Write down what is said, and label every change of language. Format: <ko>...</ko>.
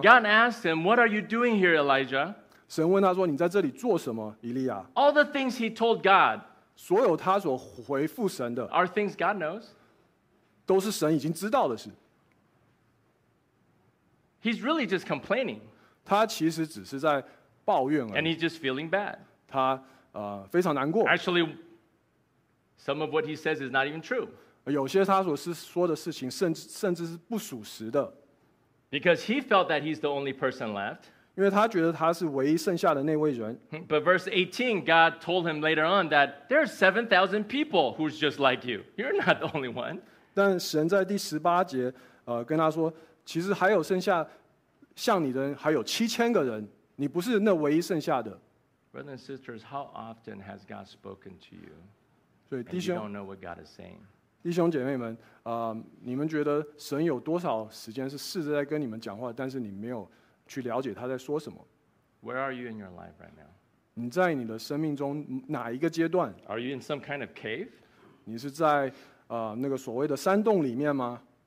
<en>God asked him, "What are you doing here, Elijah?"</en> <zh>神问他说：“你在这里做什么，以利亚？”</zh> <en>All the things he told God,</en> <zh>所有他所回复神的</zh> <en>are things God knows.</en> <zh>都是神已经知道的事。</zh> <en>He's really just complaining.</en> <zh>他其实只是在抱怨而已。</zh> <en>And he's just feeling bad.</en> <zh>他非常难过。</zh> <en>Actually, some of what he says is not even true.</en> <zh>有些他所说的事情甚至是不属实的。</zh> <en>Because he felt that he's the only person left.</en> <zh>因为他觉得他是唯一剩下的那位人。</zh> <en>But verse 18, God told him later on that there are 7,000 people who's just like you. You're not the only one.</en> <zh>但神在第十八节跟他说，其实还有剩下像你的人还有7,000个人，你不是那唯一剩下的。</zh> <en>Brothers and sisters, how often has God spoken to you?</en> <zh>所以弟兄</zh> <en>and you don't know what God is saying.</en> <zh>弟兄姐妹们，你们觉得神有多少时间是试着在跟你们讲话，但是你没有去了解他在说什么</zh> <en>？Where are you in your life right now？</en> <zh>你在你的生命中哪一个阶段</zh> <en>？Are you in some kind of cave？</en> <zh>你是在那个所谓的山洞里面吗</zh>